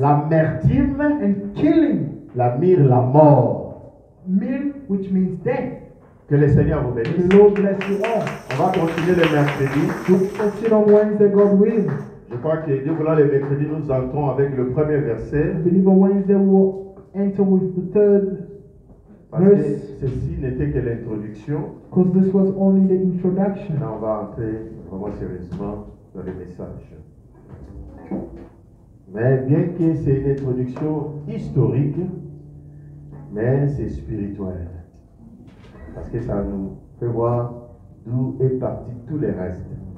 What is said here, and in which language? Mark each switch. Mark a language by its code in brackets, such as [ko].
[fr] l'amertume, [en] and killing. [fr] La mire, la mort. [en] Mir, which means death. [fr] Que le Seigneur vous bénisse. [en] The Lord bless you all. [fr] On va continuer le mercredi. [en] Continue on Wednesday, God willing. [fr] Je crois que Dieu voulant le mercredi, nous entrons avec le premier verset. [en] I believe on Wednesday we will enter with the third [fr] parce [en] verse. [fr] Que ceci n'était que l'introduction. [en] Because this was only the introduction. [fr] Là, on va entrer vraiment sérieusement dans le message. Mais bien que c'est une introduction historique, mais c'est spirituel. Parce que ça nous fait voir d'où est parti tout le reste.